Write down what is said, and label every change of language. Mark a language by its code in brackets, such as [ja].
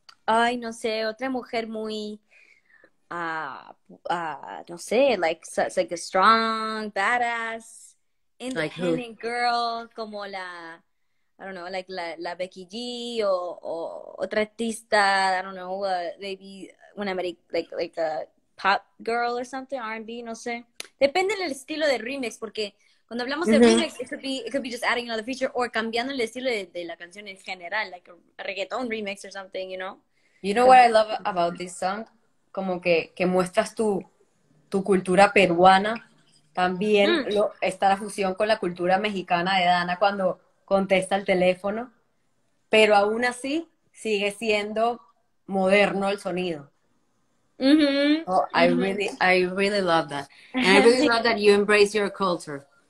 [es] Ay, no sé, otra mujer muy no sé, [en] like a strong, badass, independent, like girl, [es] como la, [en] I don't know, like [es] la [en] Becky G, [es] o otra artista, [en] I don't know, maybe [es] una [en] like a pop girl or something, R&B, [es] no sé. Depende del estilo de remix, porque cuando hablamos de remix, [en] it could be just adding another feature or [es] cambiando el estilo de la canción en general, [en] like a reggaeton remix or something, you know. You know what I love about this song? [es] Como que muestras tu cultura peruana, también está la fusión con la cultura mexicana de Dana cuando contesta el teléfono, pero aún así sigue siendo moderno el sonido. Mm-hmm. [en] Oh, I really love that. And I really love that you embrace your culture.